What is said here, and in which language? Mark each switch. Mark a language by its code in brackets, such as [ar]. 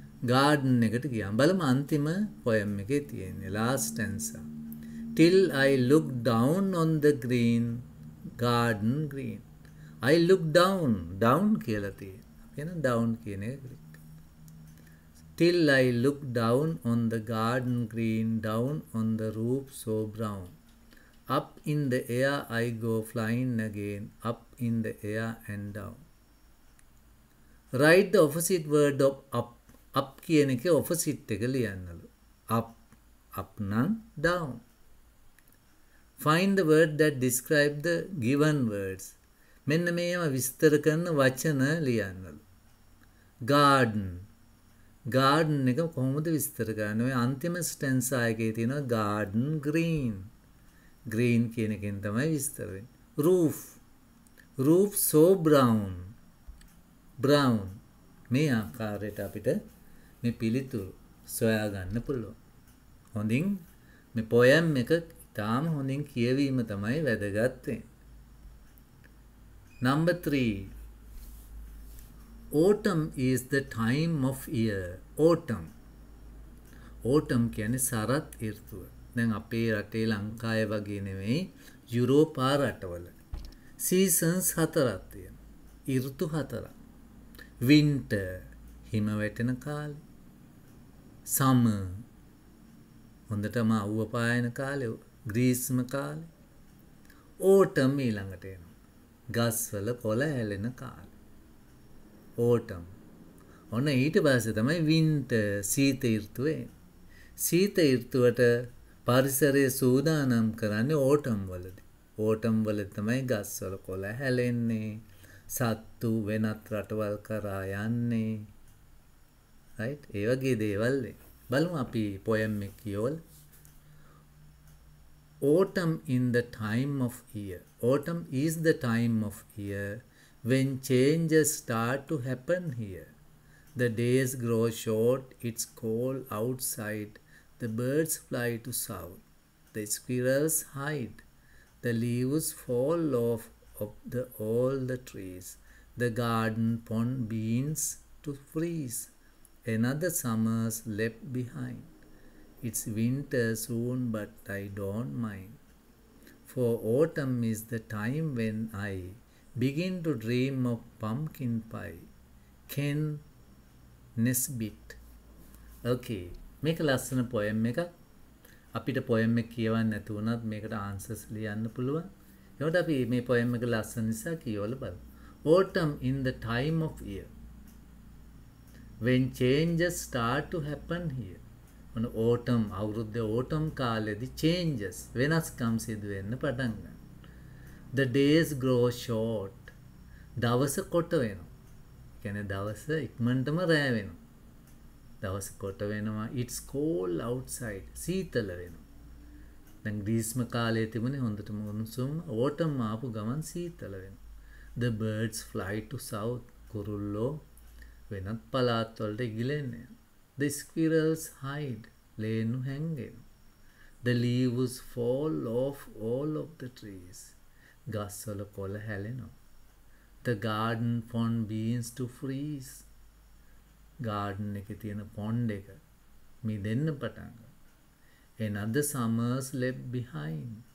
[si] Garden එකට ගියාම බලමු අන්තිම poem එකේ තියෙන [en] last stanza. Till I look down on the green garden green. I look down. Down [si] කියලා තියෙන. [en] එහෙනම් down කියන එක click. Till I look down on the garden green, down on the roof so brown. Up in the air I go flying again, up in the air and down. Write the opposite word of up. [si] Up කියන එක opposite එක ලියන්නලු. [en] Up. Up නම් down. Find the word that describe the given words. [si] මෙන්න මේව විස්තර කරන වචන ලියන්නලු. Garden. Garden එක කොහොමද විස්තර කරන්නේ? ඔය අන්තිම stanza එකේ තියෙනවා [en] garden green. Green [si] කියන එකෙන් තමයි විස්තර වෙන්නේ. [en] Roof. Roof so brown. Brown. [si] මේ ආකාරයට අපිට මේ පිළිතුරු සොයා ගන්න පුළුවන්. හොඳින් මේ poem එක ඉතාම හොඳින් කියවීම තමයි වැදගත් වෙන්නේ. [en] Number 3. Autumn is the time of year. Autumn. [si] Autumn කියන්නේ සරත් ඍතුව. දැන් අපේ රටේ ලංකාවේ වගේ නෙමෙයි යුරෝපා රටවල. Seasons හතරක් තියෙනවා. ඍතු හතරක්. Winter හිම වැටෙන කාලය. Summer හොඳටම අවුව පායන කාලය. ග්‍රීස්ම කාලය. Autumn ඊළඟට එනවා. ගස්වල කොළ හැලෙන කාලය. Autumn. ඔන්න ඊට පස්සේ තමයි winter සීත ඍතුව එන්නේ. සීත ඍතුවට පරිසරයේ සූදානම් කරන්නේ autumn වලදී. Autumn වල තමයි ගස්වල කොළ හැලෙන්නේ. සත්තු වෙනත් රටවල් කරා යන්නේ. Right? ඒ වගේ දේවල් නේ. බලමු අපි poem එක කියවල. [en] Autumn in the time of year. Autumn is the time of year when changes start to happen here. The days grow short, it's cold outside. The birds fly to south. The squirrels hide. The leaves fall off of the all the trees. The garden pond begins to freeze. Another summer's left behind. It's winter soon, but I don't mind. For autumn is the time when I begin to dream of pumpkin pie. Ken Nesbitt. Okay. [si] මේක ලස්සන poem එක. අපිට poem එක කියවන්න නැතුව නත් මේකට answers ලියන්න පුළුවන්. එහෙනම් අපි මේ poem එක ලස්සන නිසා කියවල බලමු. [en] Autumn in the time of year when changes start to happen here. [si] මොන autumn අවුරුද්ද autumn කාලෙදි changes වෙනස්කම් සිදු වෙන්න පටන් ගන්න. [en] The days grow short. [si] දවස කොට වෙනවා. කියන්නේ දවස ඉක්මනටම රෑ වෙනවා. දවස කොට වෙනවා. [en] It's cold outside. [si] සීතල වෙනවා. දැන් ග්‍රීස්ම කාලයේ තිබුණේ හොඳටම උණුසුම්. autumn ආපු ගමන් සීතල වෙනවා. [en] The birds fly to south. [si] කුරුල්ලෝ වෙනත් පළාත්වලට ඉගිලෙන්නේ. [en] The squirrels hide. [si] ලේනු හැංගෙන. [en] The leaves fall off all of the trees. [si] ගස්වල කොළ හැලෙනවා. [en] The garden pond begins to freeze. [si] Garden එකේ තියෙන pond එක මිදෙන්න පටන් ගන්නවා. [en] Another summer's left behind.